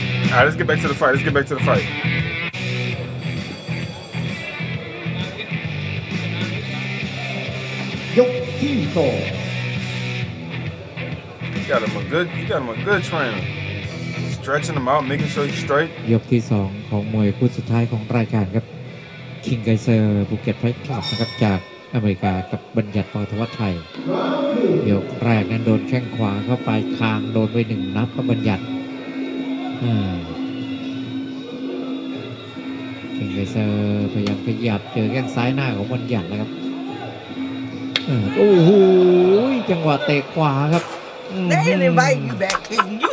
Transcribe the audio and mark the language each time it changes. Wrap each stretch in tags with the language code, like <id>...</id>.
<en>All right, let's get back to the fight. Yo, Kiko. You got him a good trainer. Stretching him out, making sure he's straight.</en> <th>ยกที่2ของมวยคู่สุดท้ายของรายการครับ King Kaiser Phuket Fight Club ครับจากอเมริกากับบัญญัติปอทวัชชัยยกแรกนั้นโดนแข้งขวาเข้าไปคางโดนไป1นับกับบัญญัติเลเซอร์พยายามขยับเจอแข้งซ้ายหน้าของบัญญัตินะครับโอ้โหจังหวะเตะขวาครับ</th> <en>They didn't invite you back, King.</en>